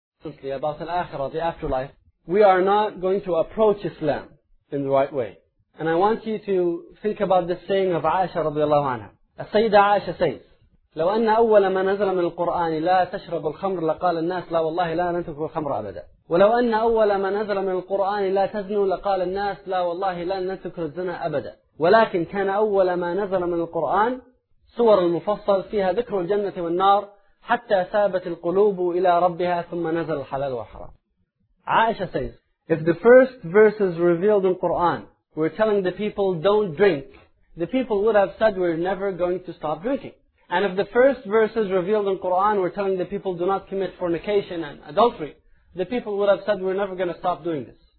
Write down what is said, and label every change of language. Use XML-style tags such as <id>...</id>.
<en>instantly about an akhirah, the afterlife, we are not going to approach Islam in the right way. And I want you to think about the saying of Aisha radiallahu anha. Sayyida Aisha says,</en> <ar>لو أن أول ما نزل من القرآن لا تشرب الخمر لقال الناس لا والله لا لن تشرب الخمر أبدا ولو أن أول ما نزل من القرآن لا تزنوا لقال الناس لا والله لا لن تشرب الزنا أبدا ولكن كان أول ما نزل من القرآن سور المفصل فيها ذكر الجنة والنار حتى ثابت القلوب إلى ربها ثم نزل الحلال والحرام.</ar> <en>عائشة says, if the first verses revealed in Quran were telling the people don't drink, the people would have said we're never going to stop drinking. And if the first verses revealed in Quran were telling the people do not commit fornication and adultery, the people would have said we're never going to stop doing this.</en>